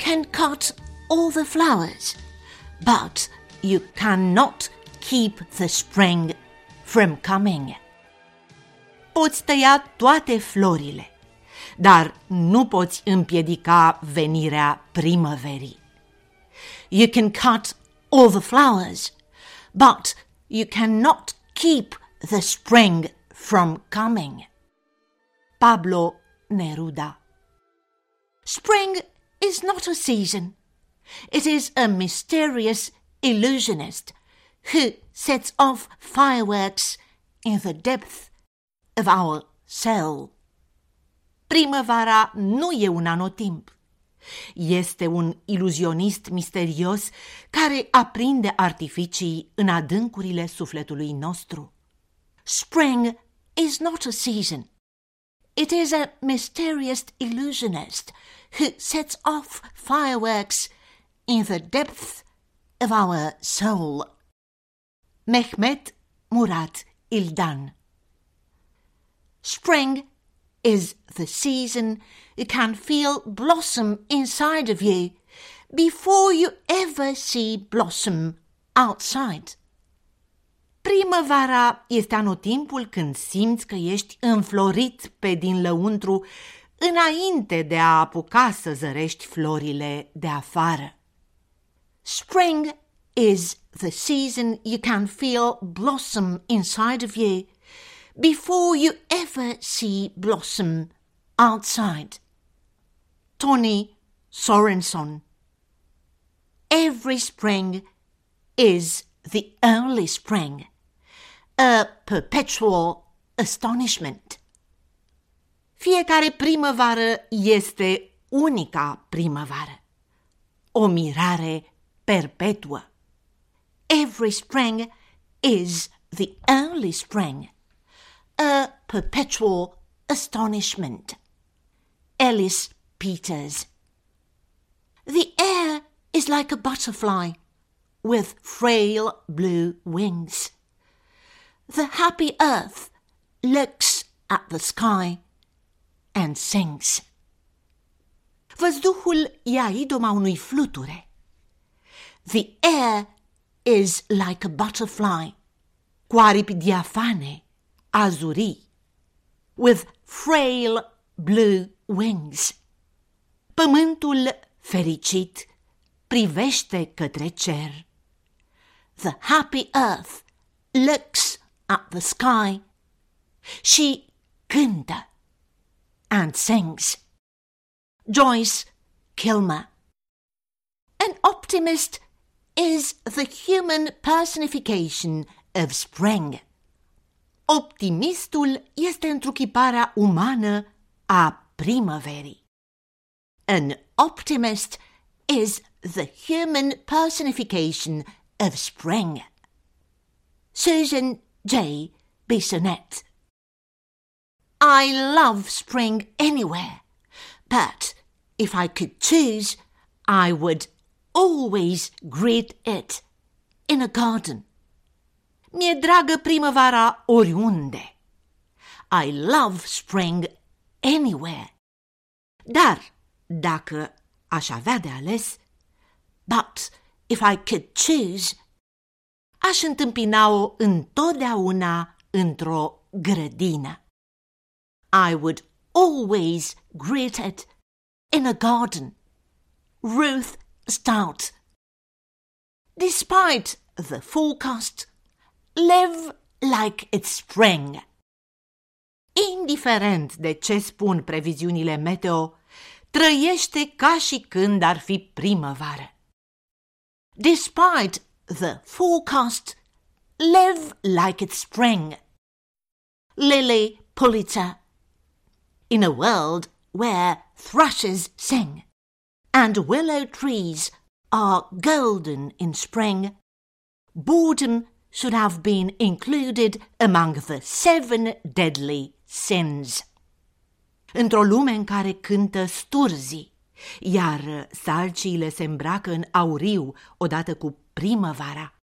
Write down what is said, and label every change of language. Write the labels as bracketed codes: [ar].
[en] Cut all the flowers, but you cannot keep the spring from coming. [ro] Poți tăia toate florile, dar nu poți împiedica venirea primăverii. [en] You can cut all the flowers, but you cannot keep the spring from coming. Pablo Neruda. Spring is not a season. It is a mysterious illusionist who sets off fireworks in the depth of our soul. [ro] Primăvara nu e un anotimp. Este un iluzionist misterios care aprinde artificii în adâncurile sufletului nostru. [en] Spring is not a season. It is a mysterious illusionist who sets off fireworks in the depth of our soul. Mehmet Murat Ildan. Spring is the season you can feel blossom inside of you before you ever see blossom outside. [ro] Primăvara este anotimpul când simți că ești înflorit pe din lăuntru înainte de a apuca să zărești florile de afară. Spring [en] is the season you can feel blossom inside of you before you ever see blossom outside. Tony Sorenson. Every spring is the early spring, a perpetual astonishment. [ro] Fiecare primăvară este unica primăvară, o mirare perpetuă. [en] Every spring is the early spring, a perpetual astonishment. Ellis Peters. The air is like a butterfly with frail blue wings. The happy earth looks at the sky and sings. [ro] Văzduhul e a idoma unui fluture. [en] The air is like a butterfly, [ro] cu aripi diafane, azurii, [en] with frail blue wings. [ro] Pământul fericit privește către cer. [en] The happy earth looks at the sky. She [ro] cântă [en] and sings. Joyce Kilmer. An optimist is the human personification of spring. [ro] Optimistul este întruchiparea umană a primăverii. [en] An optimist is the human personification of spring. Susan J. Bissonette. I love spring anywhere, but if I could choose, I would always greet it in a garden. [ro] Mi-e dragă primăvara oriunde. [en] I love spring anywhere. [ro] Dar dacă aș avea de ales, [en] but if I could choose, [ro] aș întâmpina-o întotdeauna într-o grădină. [en] I would always greet it in a garden. Ruth Stout. Despite the forecast, live like it's spring. [ro] Indiferent de ce spun previziunile meteo, trăiește ca și când ar fi primăvară. [en] Despite the forecast, live like it's spring. Lily Pulitzer. In a world where thrushes sing and willow trees are golden in spring, boredom should have been included among the 7 deadly sins. [ro] Într-o lume în care cântă sturzii, iar sarciile se îmbracă în auriu odată cu primăvara.